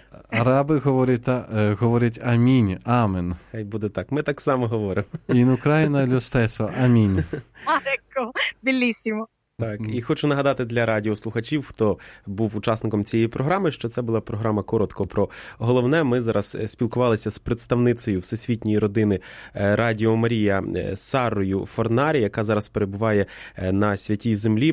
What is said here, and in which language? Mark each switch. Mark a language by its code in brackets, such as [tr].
[uk] Араби говорять амін, амен. Хай буде так. Ми так само говоримо. [it] In Ukraina lo stesso, амін. Ecco, bellissimo. [uk] Так, і хочу нагадати для радіослухачів, хто був учасником цієї програми, що це була програма коротко про головне. Ми зараз спілкувалися з представницею Всесвітньої родини Радіо Марія Сарою Форнарі, яка зараз перебуває на Святій Землі.